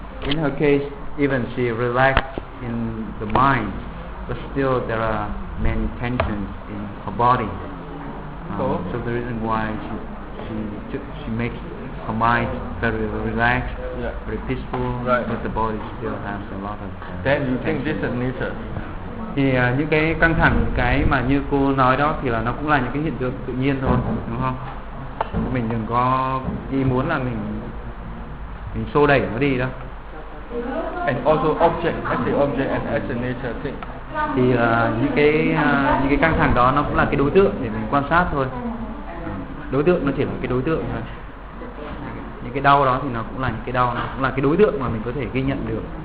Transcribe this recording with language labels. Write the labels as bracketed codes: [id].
[en] In her case, even she relaxed in the mind, but still there are many tensions in her body. So the reason why she makes her mind very relaxed, very peaceful, right. But the body still has a lot of then you think this is nature. [vi] Thì những cái căng thẳng, cái mà như cô nói đó thì là nó cũng là những cái hiện tượng tự nhiên thôi, đúng không? Mình đừng có ý muốn là mình xô đẩy nó đi đâu. [en] And also object, as the object and as the nature thing. [vi] thì những cái căng thẳng đó nó cũng là cái đối tượng để mình quan sát thôi. Đối tượng nó chỉ là cái đối tượng thôi. Những cái đau đó thì nó cũng là những cái đau, nó cũng là cái đối tượng mà mình có thể ghi nhận được.